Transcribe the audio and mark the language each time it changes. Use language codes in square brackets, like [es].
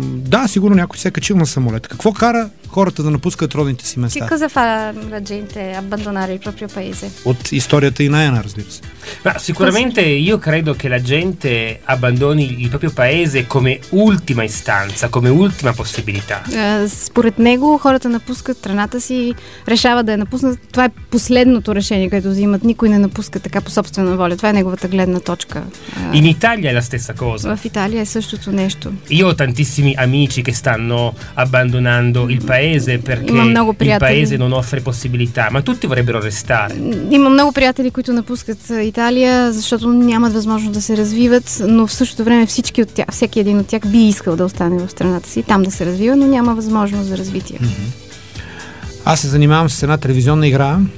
[bg] Да, сигурно някой се е качил на самолет. Какво кара хората да напускат родните си места? [it] Che cosa fa la gente abbandonare il proprio paese? [bg] От историята и Наяна, разбира се. [it] Ma sicuramente io credo che la gente abbandoni il proprio paese come ultima istanza, come ultima possibilità. [bg] Според него хората напускат страната си, решава да я напуснат. Това е последното решение, което взимат. Никой не напуска така по собствена воля. Това е неговата гледна точка. [it] In Italia è la stessa cosa. [bg] В Италия е същото нещо. [it] Io ho tantissimi amici che stanno abbandonando il paese perché il paese non offre possibilità, ma tutti vorrebbero restare. [bg] Има много приятели, които напускат Италия, защото нямат възможност да се развиват, но в същото време всички от тях, всеки един от тях би искал да остане в страната си, там да се развива, но няма възможност за развитие. Аз се занимавам с една телевизионна игра.